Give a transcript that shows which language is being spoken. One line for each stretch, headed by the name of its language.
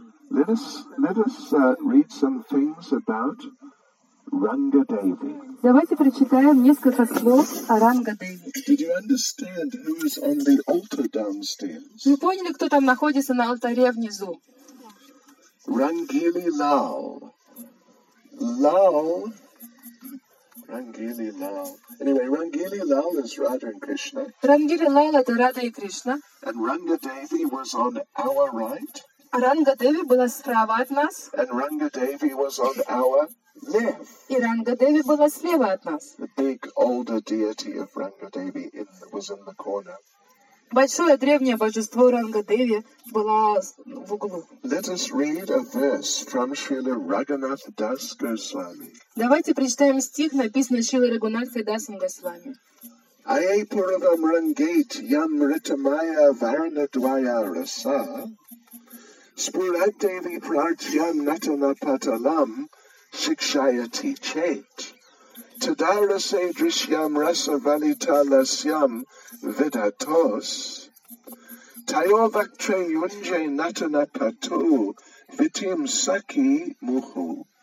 English: Let us read some things about Ranga Devi.
Russian: Давайте прочитаем несколько слов о Ранга Деви.
English: Did you understand who is on the altar downstairs?
Russian: Вы поняли, кто там находится на алтаре внизу?
English: Rangili Lal. Lal. Rangili Lal. Anyway, Rangili Lal is Radha and Krishna.
Russian: Rangili Lal – это Радха и Кришна.
English: And Ranga Devi was on our right.
Russian: А Ранга Деви была справа от нас.
English: And Ranga Devi was on our left.
Russian: И Ранга Деви была слева от нас.
English: The big older deity of Ranga Devi was in the corner.
Russian: Большое древнее божество Ранга Деви было в углу.
English: Let us read a verse from Srila Raghunath Das Goswami.
Russian: Давайте прочитаем стих, написанный Шрилой Рагунатхой Дасом Госвами.
Sanskrit: Айе Пурвам Рангейт Ям Ритамая Варна Двая Раса Спурат Деви Прачьям Натана Паталам Шикшаяти Чет Тадарасе Дришьям Раса Валита Ласьям Видатос Тайо Вакче Юнже Натана Пату Витим Саки Муху.